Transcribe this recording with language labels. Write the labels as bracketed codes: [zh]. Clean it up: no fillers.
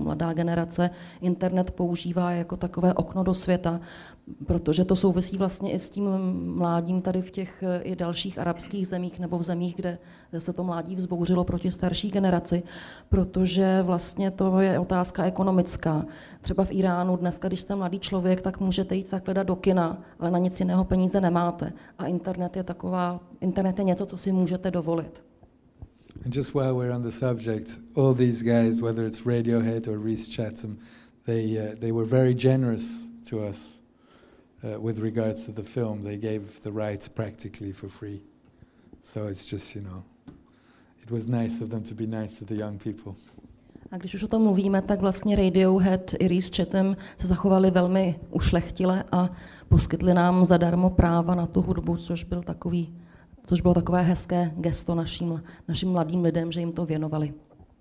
[cs] Mladá generace internet používá jako takové okno do světa, protože to souvisí vlastně i s tím mládím tady v těch i dalších arabských zemích nebo v zemích, kde se to mládí vzbouřilo proti starší generaci, protože vlastně to je otázka ekonomická. Třeba v Iránu dneska, když jste mladý člověk, tak můžete jít takhle do kina, ale na nic jiného peníze nemáte. A internet je něco, co si můžete dovolit. [en] And just while we're on the subject, all these guys, whether it's Radiohead or Rhys Chatham, they were very generous to us with regards to the film. They gave the rights practically for free. So it's just, you know, it was nice of them to be nice to the young people. [cs] A když už o tom mluvíme, tak vlastně Radiohead i Rhys Chatham se zachovali velmi ušlechtile a poskytli nám zadarmo práva na tu hudbu, což bylo takové hezké gesto našim mladým lidem, že jim to věnovali.